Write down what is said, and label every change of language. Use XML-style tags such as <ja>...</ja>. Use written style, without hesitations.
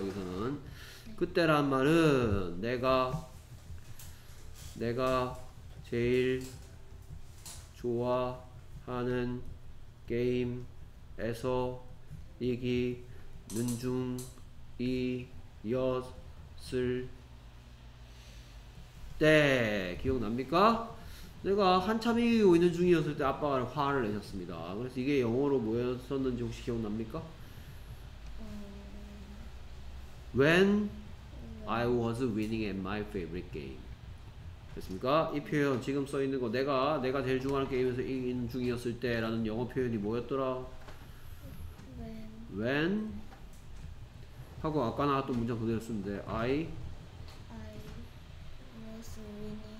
<ko>여기서는 그때란 말은 내가 제일 좋아하는 게임에서 이기는 중이었을 때. 기억납니까? 내가 한참 이기고 있는 중이었을 때 아빠가 화를 내셨습니다. 그래서 이게 영어로 뭐였었는지 혹시 기억납니까?</ko> <en>When I was winning at my favorite game.</en> <ko>됐습니까? 이 표현 지금 써 있는 거 내가 제일 좋아하는 게임에서 이기는 중이었을 때라는 영어 표현이 뭐였더라?</ko> <en>When</en> <ko>하고 아까 나왔던 문장 그대로 쓰는데 I</ko> <en>was winning</en>